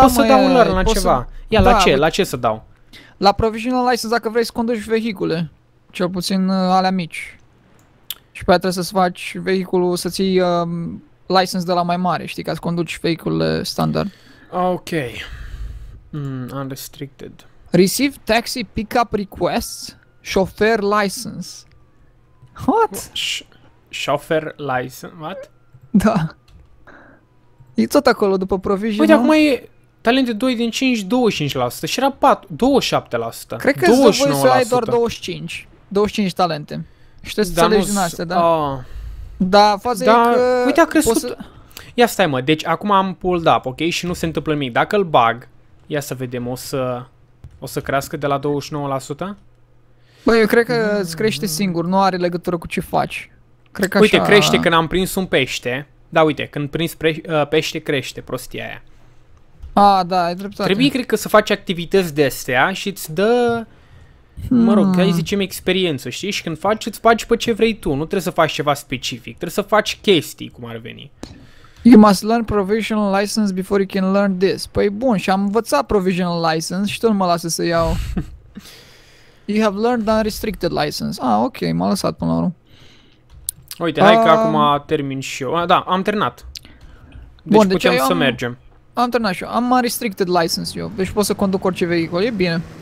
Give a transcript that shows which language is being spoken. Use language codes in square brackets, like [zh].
[ro] pot să dau un learn la ceva. Să... Ia, da, la ce? La ce să dau? La provisional license dacă vrei să conduci vehicule. Cel puțin alea mici. Și pe aia trebuie să-ți faci vehiculul, să ții license de la mai mare, știi, ca să conduci vehiculele standard. [en] Ok. Unrestricted. Receive taxi pickup requests, chauffeur license. What? Chauffeur license, what? [ro] Da. E tot acolo după provizii. Uite, acum e talente 2 din 5, 25%. Și era 4, 27%. Cred că 29%. Să ai doar 25. 25 talente. Și trebuie să înțelegi din astea, da? Da, faza da, e că... Uite, a crescut... Să... Ia stai, mă, deci acum am [en] pulled up, [ro] ok? Și nu se întâmplă nimic. Dacă îl bag, ia să vedem, o să crească de la 29%? Băi, eu cred că îți crește singur. Nu are legătură cu ce faci. Cred că uite, așa... crește când am prins un pește. Da, uite, când prins pește, crește prostia aia. A, da, e dreptate. Trebuie, cred că, să faci activități de astea și îți dă, mă rog, hai zicem, experiență, știi? Și când faci, îți faci pe ce vrei tu. Nu trebuie să faci ceva specific. Trebuie să faci chestii, cum ar veni. [en] You must learn provisional license before you can learn this. [ro] Păi bun, și am învățat provisional license și tot nu mă lasă să iau. [en] You have learned unrestricted license. [ro] Ah, ok, m-a lăsat până la urmă. Uite, hai că acum termin și eu. Da, am terminat. Deci bun, putem deci să mergem. Am terminat și eu. Am unrestricted license eu. Deci pot să conduc orice vehicul. E bine.